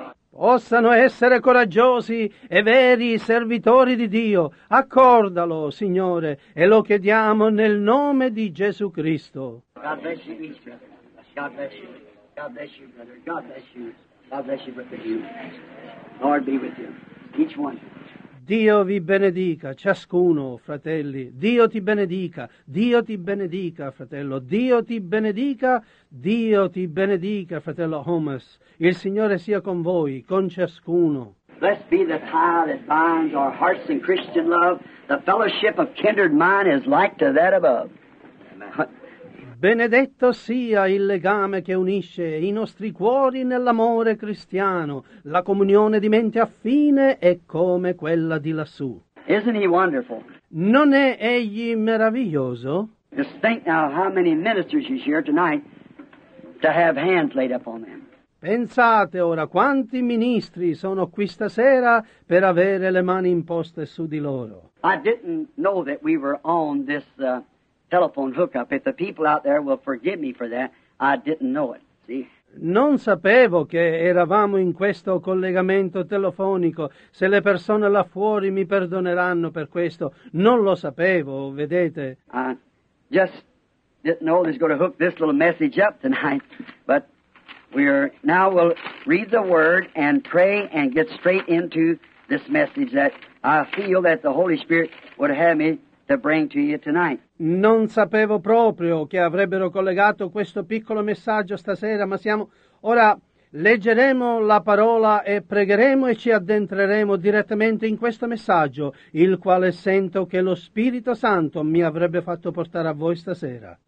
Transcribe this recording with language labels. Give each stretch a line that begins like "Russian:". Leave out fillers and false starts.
Italian: Possano essere coraggiosi e veri servitori di Dio. Accordalo, Signore, e lo chiediamo nel nome di Gesù Cristo.
English: God bless you, brother. God bless you. God bless you, brother. God bless you. God bless you, brother. Lord be with you. Each one.
Italian: Dio vi benedica, ciascuno, fratelli. Dio ti benedica. Dio ti benedica, fratello. Dio ti benedica. Dio ti benedica, fratello Homas. Il Signore sia con voi, con ciascuno.
English: Blessed be the tie that binds our hearts in Christian love. The fellowship of kindred mind is like to that above.
Italian: Benedetto sia il legame che unisce i nostri cuori nell'amore cristiano. La comunione di mente affine è come quella di lassù.
English: Isn't he wonderful?
Italian: Non è egli meraviglioso?
English: Just think now how many ministers you share tonight to have hands laid upon them.
Italian: Pensate ora quanti ministri sono qui stasera per avere le mani imposte su di loro.
English: I didn't know that we were on this telephone hookup. If the people out there will forgive me for that, I didn't know it. See?
Italian: Non sapevo che eravamo in questo collegamento telefonico. Se le persone là fuori mi perdoneranno per questo, non lo sapevo, vedete?
English: I just didn't know they're going to hook this little message up tonight, but Now we'll read the word and pray and get straight into this message that I feel that the Holy Spirit would have me to bring to you tonight.
Italian: Non sapevo proprio che avrebbero collegato questo piccolo messaggio stasera, ma siamo ora leggeremo la parola e pregheremo e ci addentreremo direttamente in questo messaggio, il quale sento che lo Spirito Santo mi avrebbe fatto portare a voi stasera.